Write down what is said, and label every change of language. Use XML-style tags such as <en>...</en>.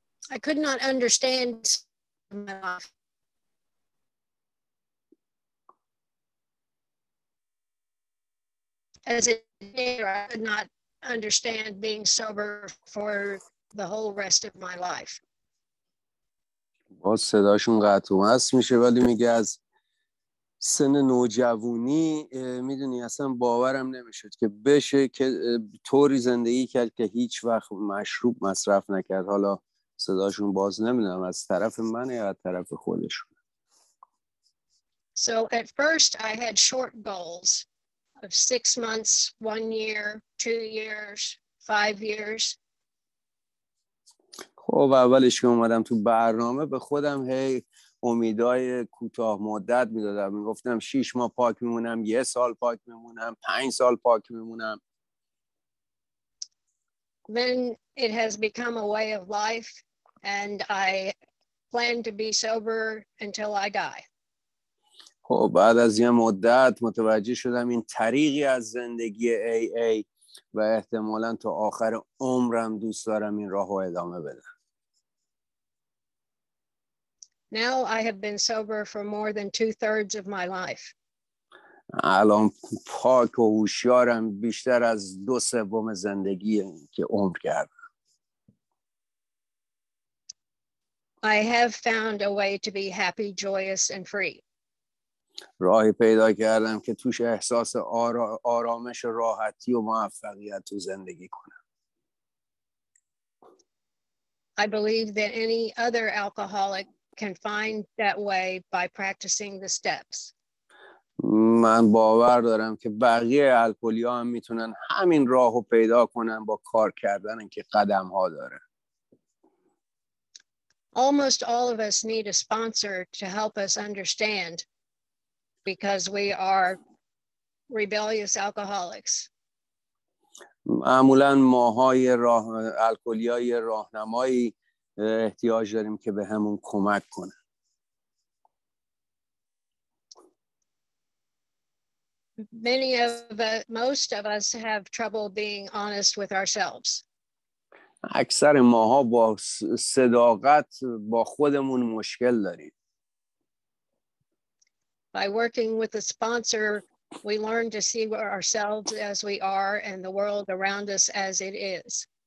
<en>I could not understand my life. As a teenager, I could not understand being sober for the whole rest of my life.</en> <fa>باز صداشون قطع و وصل میشه ولی میگه از سن نوجوانی میدونی اصلا باورم نمیشد که بشه که طوری زندگی کرد که هیچ وقت مشروب مصرف نکرد. حالا صداشون باز نمیدونم از طرف من یا از طرف خودشون.</fa> <en>So at first I had short goals of 6 months, 1 year, 2 years, 5 years.</en> <fa>خب اولش که اومدم تو برنامه به خودم هی امیدای کوتاه مدت میدادم، میگفتم 6 ماه پاک میمونم، 1 سال پاک میمونم، 5 سال پاک میمونم.</fa> <en>then it has become a way of life, and I plan to be sober until I die.</en> <fa>خب بعد از یه مدت متوجه شدم این طریقی از زندگی AA و احتمالاً تا آخر عمرم دوست دارم این راهو ادامه بدم.</fa> <en>Now I have been sober for more than 2/3 of my life.</en> <fa>الان پاک و هوشیارم بیشتر از دو سوم زندگی که عمر کردم.</fa> <en>I have found a way to be happy, joyous and free.</en> <fa>راهی پیدا کردم که توش احساس آرامش و راحتی و موفقیت تو زندگی کنم.</fa> <en>I believe that any other alcoholic can find that way by practicing the steps.</en> <fa>من باور دارم که بقیه الکلی ها هم میتونن همین راهو پیدا کنن با کار کردن که قدم ها داره.</fa> <en>Almost all of us need a sponsor to help us understand, because we are rebellious alcoholics.</en> <fa>معمولا ماهای راه الکلیای راهنمایی احتیاج داریم که بهمون کمک کنه.</fa> <en>Many of us, most of us have trouble being honest with ourselves.</en> <fa>اکثر ماها با صداقت با خودمون مشکل داریم.</fa> <en>By working with a sponsor, we learn to see ourselves as we are and the world around us as it is.</en>